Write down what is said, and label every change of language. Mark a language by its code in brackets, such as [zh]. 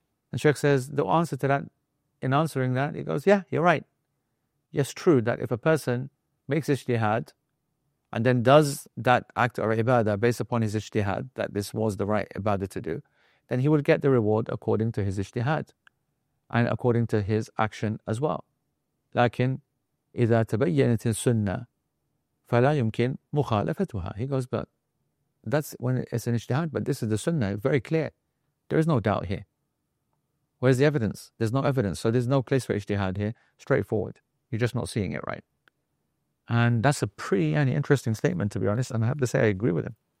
[en] And Sheikh says, the answer to that, in answering that, he goes, yeah, you're right. Yes, true that if a person makes ijtihad and then does that act or ibadah based upon his ijtihad, that this was the right ibadah to do, then he will get the reward according to his ijtihad and according to his action as well. [ar] لكن إذا تبينت السنة فلا يمكن مخالفتها. [en] He goes, but that's when it's an ijtihad, but this is the sunnah, very clear. There is no doubt here. Where's the evidence? There's no evidence. So there's no place for ijtihad here. Straightforward. You're just not seeing it right. And that's a pretty interesting statement, to be honest. And I have to say, I agree with him.